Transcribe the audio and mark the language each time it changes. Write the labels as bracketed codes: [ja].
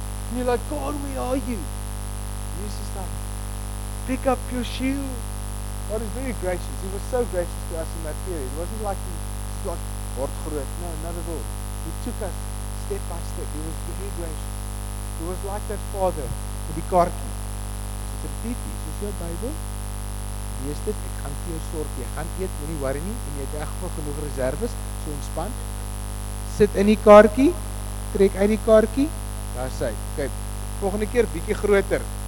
[en] And you're like, God, where are you? And he's just like, pick up your shield. God is very gracious. He was so gracious to us in that period. It wasn't like he just like, [af] word groot. [en] No, not at all. He took us step by step. He was very gracious. He was like that father, [af] die kaartjie. Is dit 'n pietie? Is dit jou Bybel? Lees dit, ek gaan vir jou sorg. Jy gaan eet, moenie worry nie. En jy het reg genoeg reserves, so ontspan. Sit in die kaartjie, trek uit die kaartjie. Daar's hy. Okay, volgende keer bietjie groter.